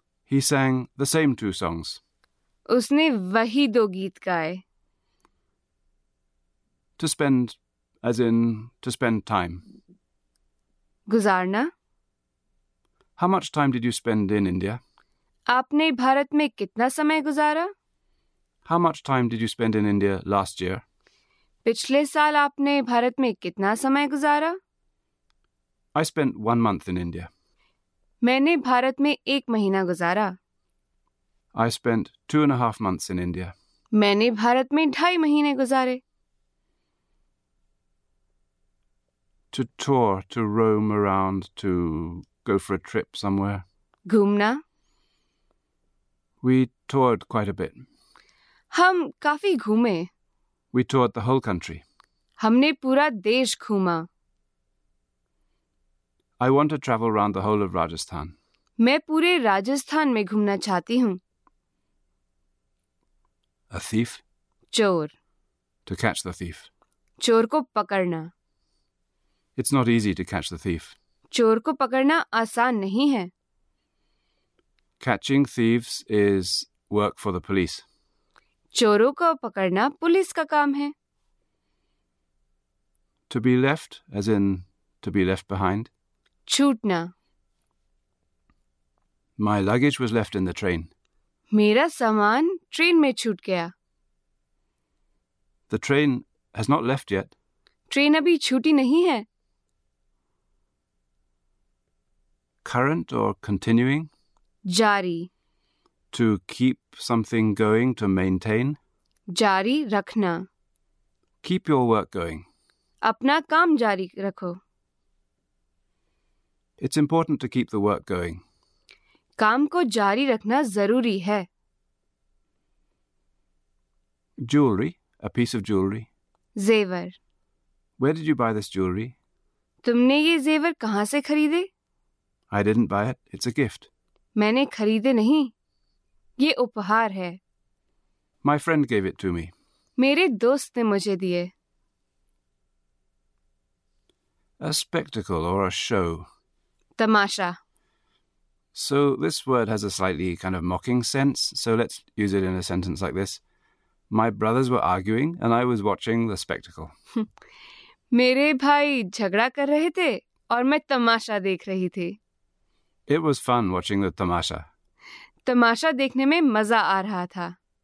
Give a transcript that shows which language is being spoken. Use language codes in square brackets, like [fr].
[en] He sang the same two songs. [hi] उसने वही दो गीत गाए. [en] To spend, as in to spend time. [hi] गुजारना. [en] How much time did you spend in India? [hi] आपने भारत में कितना समय गुजारा? [en] How much time did you spend in India last year? [hi] पिछले साल आपने भारत में कितना समय गुजारा? [en] I spent 1 month in India. [hi] मैंने भारत में एक महीना गुजारा. [en] I spent 2.5 months in India. [hi] मैंने भारत में ढाई महीने गुजारे. [en] To tour, to roam around, to go for a trip somewhere. [hi] घूमना. [en] We toured quite a bit. [hi] हम काफी घूमे. [en] We toured the whole country. [hi] हमने पूरा देश घूमा. [en] I want to travel around the whole of Rajasthan. [hi] मैं पूरे राजस्थान में घूमना चाहती हूँ. [en] A thief? [hi] चोर. [en] To catch the thief. [hi] चोर को पकड़ना. [en] It's not easy to catch the thief. [hi] चोर को पकड़ना आसान नहीं है. [en] Catching thieves is work for the police. [hi] चोरों को पकड़ना पुलिस का काम है. [en] To be left, as in to be left behind. [hi] छूटना. [en] My luggage was left in the train. [hi] मेरा सामान ट्रेन में छूट गया. [en] The train has not left yet. [hi] Train अभी छूटी नहीं है. [en] Current or continuing? [hi] जारी. [en] To keep something going, to maintain? [hi] जारी रखना. [en] Keep your work going. [hi] अपना काम जारी रखो. [en] It's important to keep the work going. [hi] काम को जारी रखना जरूरी है. [en] Jewelry, a piece of jewelry. [hi] जेवर. [en] Where did you buy this jewelry? [hi] तुमने ये जेवर कहाँ से खरीदे? [en] I didn't buy it. It's a gift. [hi] मैंने खरीदे नहीं. ये उपहार है. [en] My friend gave it to me. [hi] मेरे दोस्त ने मुझे दिए. [en] A spectacle or a show. [hi] Tamasha. [en] So this word has a slightly kind of mocking sense. So let's use it in a sentence like this. My brothers were arguing and I was watching the spectacle. [hi] मेरे भाई झगड़ा कर रहे थे और मैं तमाशा देख रही थी. [en] It was fun watching the tamasha. [hi] तमाशा देखने में मजा आ रहा था.